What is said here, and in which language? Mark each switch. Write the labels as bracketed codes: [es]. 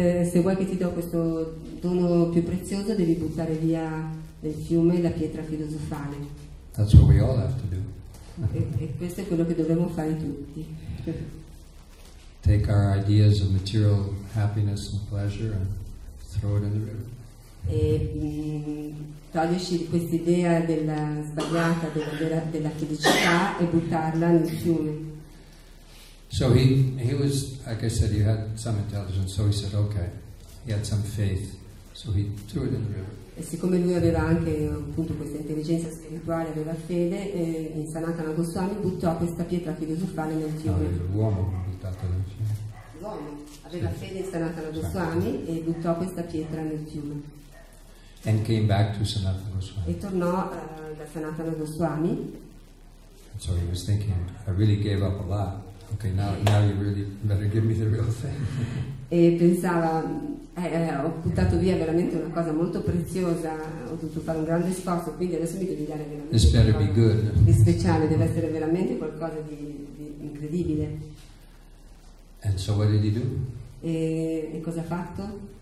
[it] Se vuoi che ti do questo dono più prezioso, devi buttare via nel fiume la pietra filosofale. [en] That's what we all have to do. [it] E questo è quello che dovremmo fare tutti. [en] Take our ideas of material happiness and pleasure and throw it in the river. [it] E toglierci questa idea della sbagliata della felicità e buttarla nel fiume. [en] So he was, like I said, he had some intelligence, so he said, okay. He had some faith, so he threw it in the river. [it] E siccome lui aveva anche appunto questa intelligenza spirituale, aveva fede, in Sanatana Goswami buttò questa pietra filosofale nel fiume. No, l'uomo ha buttato nel fiume. L'uomo aveva fede in Sanatana Goswami e buttò questa pietra nel fiume. [en] And came back to Sanatana Goswami. [it] E tornò da Sanatana Goswami. [en] And so he was thinking, I really gave up a lot. Okay, now you really better give me the real thing. [it] E pensava, ho buttato via veramente una cosa molto preziosa, ho dovuto fare un grande sforzo, quindi adesso mi devi dare veramente. [en] This better be good. [it] Di speciale, deve essere veramente qualcosa di incredibile. [en] And so what did he do? [it] E cosa ha fatto?